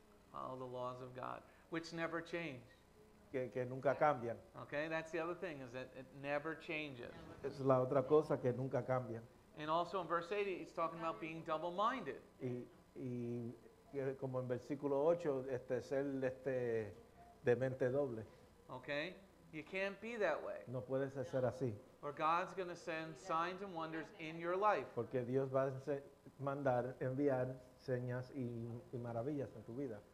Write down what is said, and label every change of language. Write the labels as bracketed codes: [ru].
[en] Follow the laws of God, which never change. [es] Que nunca cambian. [en] Okay, that's the other thing, is that it never changes. [es] Es la otra cosa, que nunca cambian. [en] And also in verse 80, he's talking about being double-minded. [es] Y como en versículo 8, ser de mente doble. [en] Okay, you can't be that way. [es] No puedes ser así. [en] Or God's going to send signs and wonders in your life. [es] Porque Dios va a mandar, enviar señas y maravillas en tu vida.